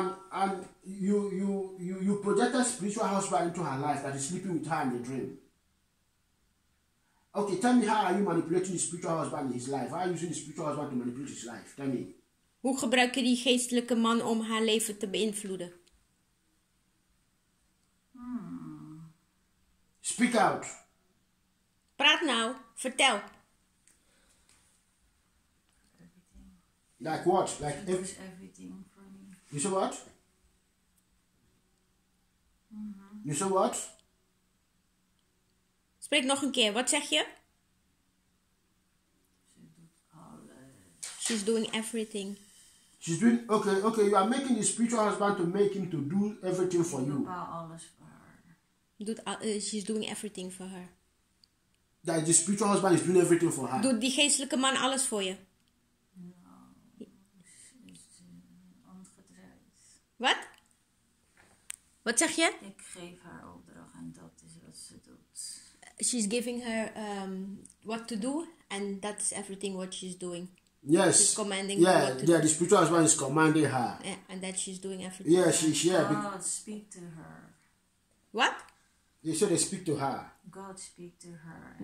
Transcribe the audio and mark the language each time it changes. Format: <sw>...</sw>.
<en>And you project a spiritual husband into her life that is sleeping with her in the dream. Okay, tell me, how are you manipulating the spiritual husband in his life? How are you using the spiritual husband to manipulate his life? Tell me.</en> <nl>Hoe gebruik je die geestelijke man om haar leven te beïnvloeden?</nl> <en>Speak out.</en> <nl>Praat nou. Vertel.</nl> <en>Everything. Like what? Like he does everything for me. You say what? Mm-hmm. You say what?</en> <nl>Spreek nog een keer. Wat zeg je?</nl> <en>She's doing everything. She's doing okay. Okay, you are making the spiritual husband to make him to do everything for you. About all for her. She's doing everything for her. That the spiritual husband is doing everything for her.</en> <nl>Doet die geestelijke man alles voor je?</nl> <en>No. What?</en> <nl>Wat zeg je? Ik geef haar opdracht en dat is wat ze doet.</nl> <en>She's giving her what to do, and that's everything what she's doing. Yes. She's commanding yeah, her. Yeah, the spiritual husband is commanding her. Yeah, and that she's doing everything. Yeah, she yeah. God speak to her. What? You said they speak to her. God speak to her.</en>